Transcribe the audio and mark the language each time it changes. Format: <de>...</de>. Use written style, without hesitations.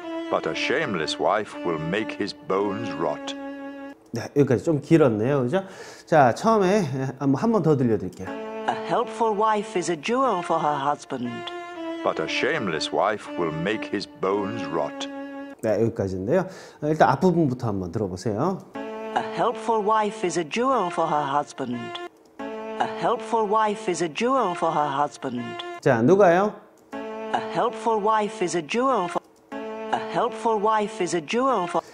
<en>But a shameless wife will make his bones rot.</en> <ko>네, 여기까지 좀 길었네요. 그죠? 자, 처음에 한 번 더 들려 드릴게요.</ko> <en>A helpful wife is a jewel for her husband. But a shameless wife will make his bones rot.</en> <ko>네, 여기까지인데요. 일단 앞부분부터 한번 들어보세요.</ko> <en>A helpful wife is a jewel for her husband. A helpful wife is a jewel for her husband.</en> <ko>자, 누가요?</ko> <en>A helpful wife is a jewel for A helpful wife is a jewel for</en>